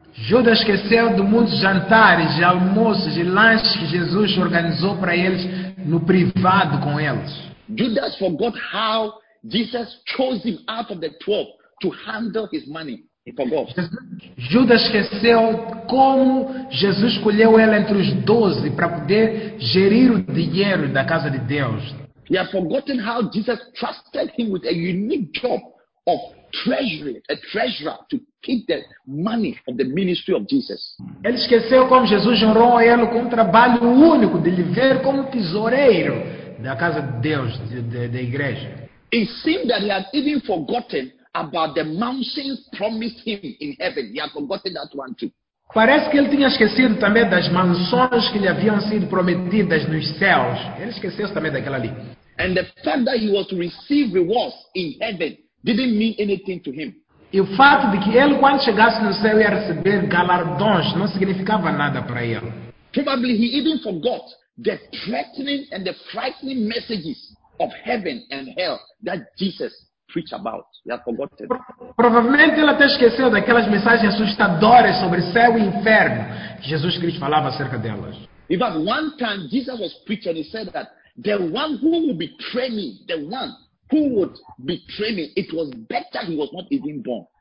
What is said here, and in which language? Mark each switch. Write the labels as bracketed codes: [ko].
[pt] Judas esqueceu de muitos jantares, de almoços, de lanches que Jesus organizou para eles no privado com eles. [en] Judas forgot how Jesus chose him out of the 12 to handle his money. He forgot. [pt] Judas esqueceu como Jesus escolheu ele entre os 12 para poder gerir o dinheiro da casa de Deus. [en] He had forgotten how Jesus trusted him with a unique job of treasury, a treasurer to keep the money of the ministry of Jesus. [pt] Ele esqueceu como Jesus honrou ele com um trabalho único de lhe ver como tesoureiro da casa de Deus, da igreja. [en] It seemed that he had even forgotten about the mountains promised him in heaven. He had forgotten that one too. [pt] Parece que ele tinha esquecido também das mansões que lhe haviam sido prometidas nos céus. Ele esqueceu-se também daquela ali. [en] And the fact that he was to receive rewards in heaven didn't mean anything to him. [pt] E o fato de que ele, quando chegasse no céu, ia receber galardões, não significava nada para ele. [en] Probably he even forgot the threatening and the frightening messages of heaven and hell that Jesus preach about. He had forgotten. [pt] Provavelmente ele até esqueceu daquelas mensagens assustadoras sobre céu e inferno que Jesus Cristo falava acerca delas. [en] In fact, one time Jesus was preaching, he said that the one who will betray me, the one who would betray me, it was better he was not even born.